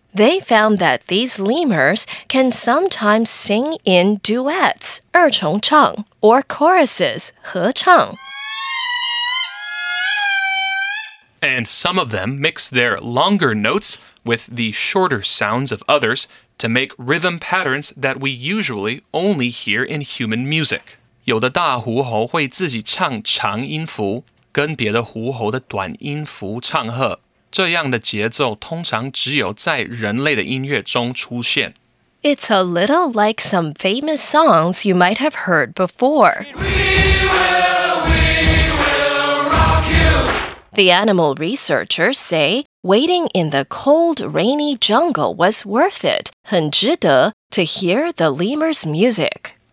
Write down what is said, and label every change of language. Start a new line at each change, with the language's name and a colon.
English: They found that these lemurs can sometimes sing in duets, 二重唱, or choruses, 合唱. And some of them mix their longer notes with the shorter sounds of others,to make rhythm patterns that we usually only hear in human music.
Chinese: 有的大狐猴会自己唱长音符,跟别的狐猴的短音符唱和。这样的节奏通常只有在人类的音乐中出现。
English: It's a little like some famous songs you might have heard before. The animal researchers say waiting in the cold, rainy jungle was worth it,
Chinese: 很值得,
English: to hear the lemur's music.